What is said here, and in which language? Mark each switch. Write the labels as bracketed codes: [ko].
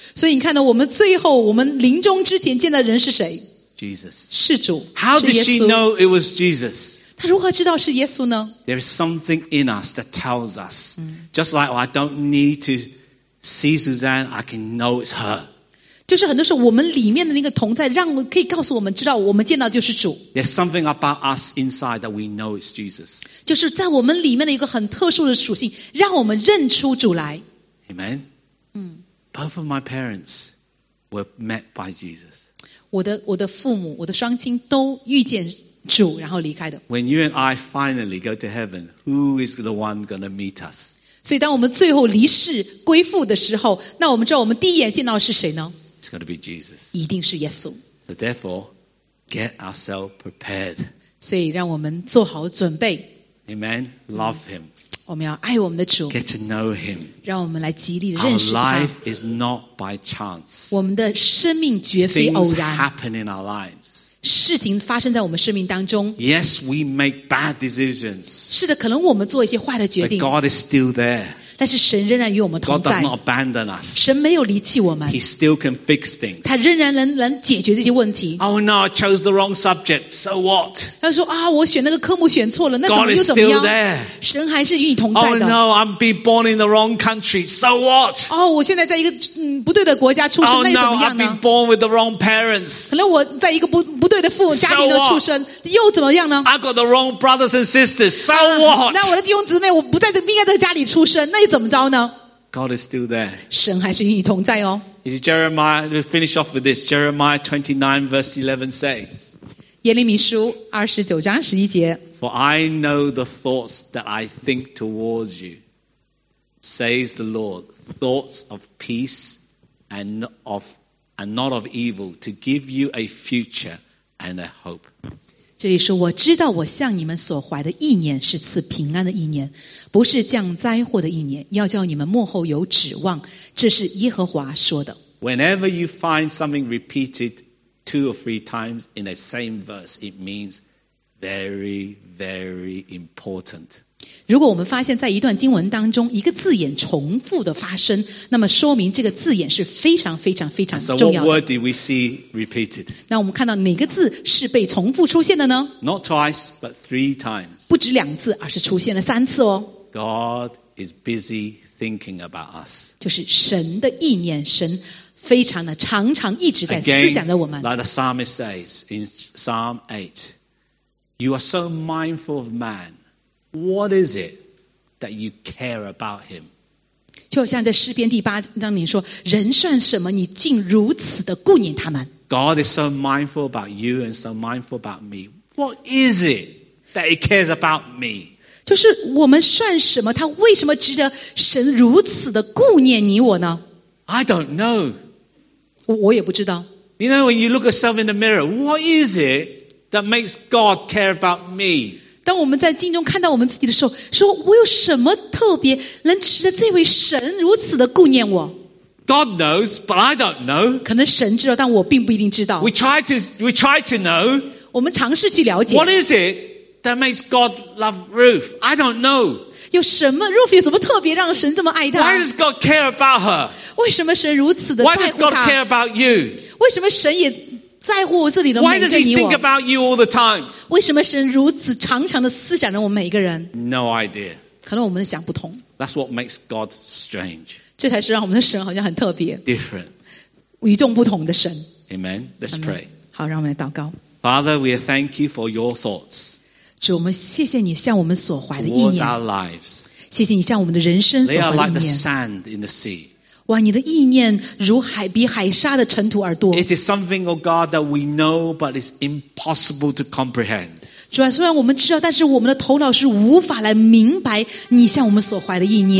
[zh] 所以你看到我们最后我们临终之前见到的人是谁 [en] ？Jesus. [zh] 是主。 [en] How did she know it was Jesus? [zh] 他如何知道是耶稣呢 [en] ？There is something in us that tells us,、just like、oh, I don't need to see Suzanne, I can know it's her. [zh] 就是很多时候我们里面的那个同在，让可以告诉我们知道我们见到就是主。 [en] There's something about us inside that we know it's Jesus. [zh] 就是在我们里面的一个很特殊的属性，让我们认出主来。 [en] Amen.、Both of my parents were met by Jesus. [zh] 我的父母，我的双亲都遇见。主然后离开的 [en] When you and I finally go to heaven, who is the one going to meet us? [zh] 所以当我们最后离世归父的时候，那我们知道我们第一眼见到的是谁呢？ [en] It's going to be Jesus. [zh] 一定是耶稣。 [en] So therefore, get ourselves prepared. [zh] 所以让我们做好准备。 [en] Amen. Love him. [zh] 我们要爱我们的主。 [en] Get to know him. [zh] 让我们来极力认识他。 [en] Our life is not by chance. [zh] 我们的生命绝非偶然。 [en] Things happen in our lives. [zh] 事情发生在我们生命当中。 [en] Yes, we make bad decisions. [zh] 是的，可能我们做一些坏的决定。 [en] But God is still there. [zh] 但是神仍然与我们同在。 [en] God does not abandon us. [zh] 神没有离弃我们。 [en] He still can fix things. [zh] 他仍然能解决这些问题。 [en] Oh no, I chose the wrong subject. So what? [zh] 他说啊，我选那个科目选错了，那怎么又怎么样 [en] ？God is still there. [zh] 神还是与你同在的。 [en] Oh no, I'm being born in the wrong country. So what? [zh] 哦，我现在在一个不对的国家出生，那又怎么样呢 [en] ？Oh no, I've been born with the wrong parents. [zh] 可能我在一个不对。对的父母家庭的出身、 [en] so、 [zh] 又怎么样呢 [en] ？I got the wrong brothers and sisters. So what?、 [zh] 那我的弟兄姊妹，我不在这应该在家里出生，那又怎么着呢 [en] ？God is still there. [zh] 神还是与你同在哦。 [en] Is Jeremiah? We'll finish off with this. Jeremiah 29 verse 11 says. [zh] 耶利米书二十九章十一节。 [en] For I know the thoughts that I think towards you, says the Lord, thoughts of peace and not of evil, to give you a future. And I hope. [zh] 这里说，我知道我向你们所怀的意念是赐平安的意念，不是降灾祸的意念，要叫你们末后有指望。这是耶和华说的。 [en] Whenever you find something repeated two or three times in the same verse, it means very, very important. [zh] 如果我们发现在一段经文当中一个字眼重复的发生，那么说明这个字眼是非常非常非常重要的。 [en] So what word did we see repeated? [zh] 那我们看到哪个字是被重复出现的呢 [en] ？Not twice, but three times. [zh] 不止两次，而是出现了三次哦。 [en] God is busy thinking about us. [zh] 就是神的意念，神非常的常常一直在思想着我们。 [en] Again, like the psalmist says in Psalm 8, You are so mindful of man. What is it that you care about him? [zh] 就像在诗篇第八章里说，人算什么？你竟如此的顾念他们。 [en] God is so mindful about you and so mindful about me. What is it that he cares about me? [zh] 就是我们算什么？他为什么值得神如此的顾念你我呢？ [en] I don't know. [zh] 我也不知道。 [en] You know, when you look yourself in the mirror, what is it that makes God care about me? [zh] 当我们在镜中看到我们自己的时候，说我有什么特别能使得这位神如此的顾念我？ [en] God knows, but I don't know. [zh] 可能神知道，但我并不一定知道。 [en] We try to know. [zh] 我们尝试去了解。 [en] What is it that makes God love Ruth? I don't know. [zh] 有什么 Ruth 有什么特别让神这么爱他？ [en] Why does God care about her? [zh] 为什么神如此的在乎他？ [en] Why does God care about you? [zh] 为什么神也在乎我这里的每一个你我？ [en] Why does he think about you all the time? [zh] 为什么神如此常常的思想着我们每一个人？ [en] No idea. [zh] 可能我们想不通。 [en] That's what makes God strange. [zh] 这才是让我们的神好像很特别。 [en] Different. [zh] 与众不同的神。 [en] Amen. Let's pray. [zh] 好，让我们来祷告。 [en] Father, we thank you for your thoughts. [zh] 主，我们谢谢你向我们所怀的意念。谢谢你向我们的人生所怀的意念。哇，你的意念如海，比海沙的尘土而多。 [en] It is something, O God, that we know, but it's impossible to comprehend. [zh] 主啊，虽然我们知道，但是我们的头脑是无法来明白你向我们所怀的意念。